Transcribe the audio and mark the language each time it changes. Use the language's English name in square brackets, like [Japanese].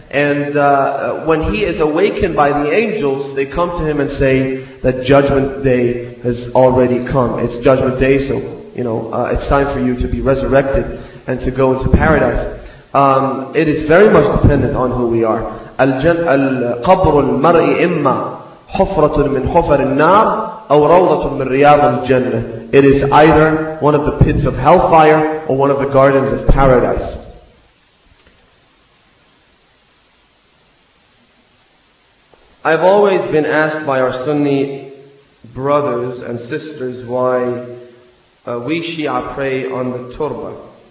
[English] And when he is awakened by the angels, they come to him and say that judgment day has already come. It's judgment day, so, you know, it's time for you to be resurrected and to go into paradise. It is very much dependent on who we are. [Arabic] القبر المرء إما حفرة من حفر النار أو روضة من رياض الجنة. [English] It is either one of the pits of hellfire or one of the gardens of paradise. I've always been asked by our Sunni brothers and sisters why we Shia pray on the Turba.